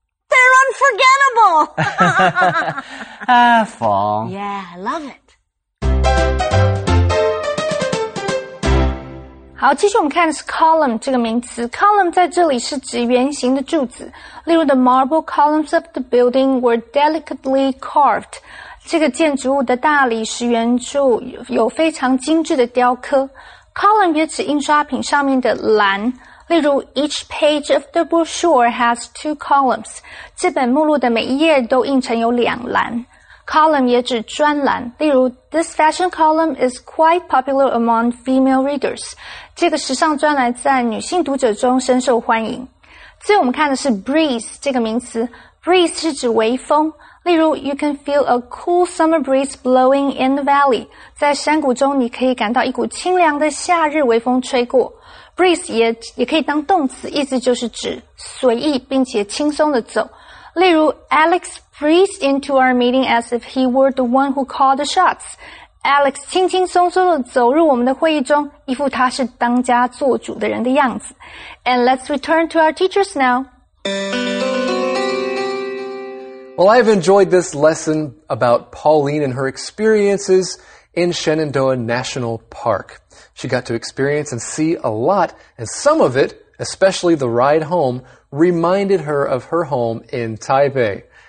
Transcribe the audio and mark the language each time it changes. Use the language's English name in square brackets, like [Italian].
[English] They're unforgettable! fall. Yeah, I love it. [Chinese] 好，继续我们看的是 column 这个名词。Column 在这里是指圆形的柱子。例如 [English] ,the marble columns of the building were delicately carved. [Chinese] 这个建筑物的大理石圆柱有非常精致的雕刻。 Column 也指印刷品上面的栏。例如 [English] ,each page of the brochure has two columns. [Chinese] 这本目录的每一页都印成有两栏。 Column 也指专栏。例如 [English] ,this fashion column is quite popular among female readers. [Chinese] 这个时尚专栏在女性读者中深受欢迎。最后我们看的是 breeze 这个名词。breeze 是指微风。例如 [English] ,you can feel a cool summer breeze blowing in the valley. [Chinese] 在山谷中你可以感到一股清凉的夏日微风吹过。 Breeze 也可以当动词，意思就是指随意并且轻松的走。例如 [English] ,Alex breezed into our meeting as if he were the one who called the shots. [Chinese] Alex 轻轻松松的走入我们的会议中，一副他是当家做主的人的样子。 [English] And let's return to our teachers now. Well, I've enjoyed this lesson about Pauline and her experiences in Shenandoah National Park. She got to experience and see a lot, and some of it, especially the ride home, reminded her of her home in Taipei.